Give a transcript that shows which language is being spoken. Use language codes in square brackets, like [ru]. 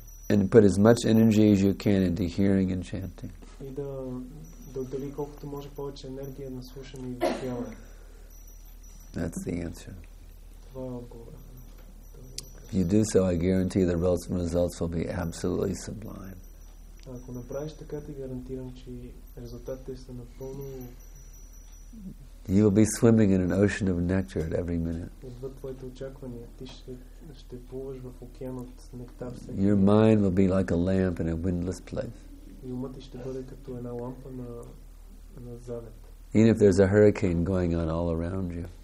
[en] And put as much energy as you can into hearing and chanting. [bg] Да отдели колкото може повече енергия на слушане и възприемане. [en] That's the answer. [bg] Това е отговора. [en] If you do so, I guarantee the results will be absolutely sublime. [bg] Ако направиш така, ти гарантирам, че резултатите са напълно. [en] You will be swimming in an ocean of nectar at every minute. [bg] Отвъд твоите очаквания, ти ще плуваш в океан от нектар. [en] Your mind will be like a lamp in a windless place. [bg] И умът ти ще бъде като една лампа на завет. [en] Even if there's a hurricane going on all around you.